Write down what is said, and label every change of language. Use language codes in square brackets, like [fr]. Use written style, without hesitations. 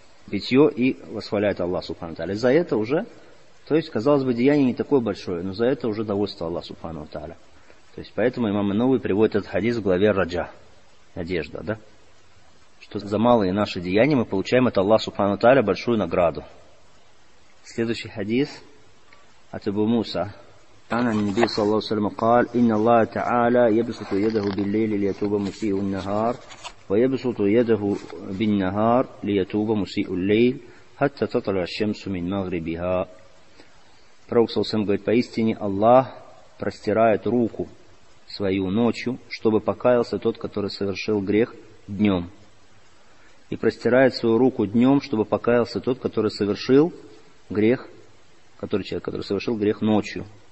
[ru] питье и восхваляет Аллах Субхану Та'аля. За это уже, то есть, казалось бы, деяние не такое большое, но за это уже довольство Аллах Субхану Та'аля. То есть, поэтому имам Ан-Науи приводит этот хадис в главе Раджа. Надежда, да? Что за малые наши деяния мы получаем от Аллаха Субхану Та'аля большую награду. Следующий хадис от Абу Муса. [ar] عن النبي صلى الله عليه وسلم قال إن الله تعالى يبسط يده بالليل ليتوب مسيء النهار ويبسط يده بالنهار ليتوب مسيء الليل حتى تطلع الشمس من مغربها. [ru] Пророк [ar] صلى الله عليه وسلم [ru] говорит, поистине Аллах простирает руку свою ночью, чтобы покаялся тот, который совершил грех днем. И простирает свою руку днем, чтобы покаялся тот, который совершил грех, который совершил грех ночью.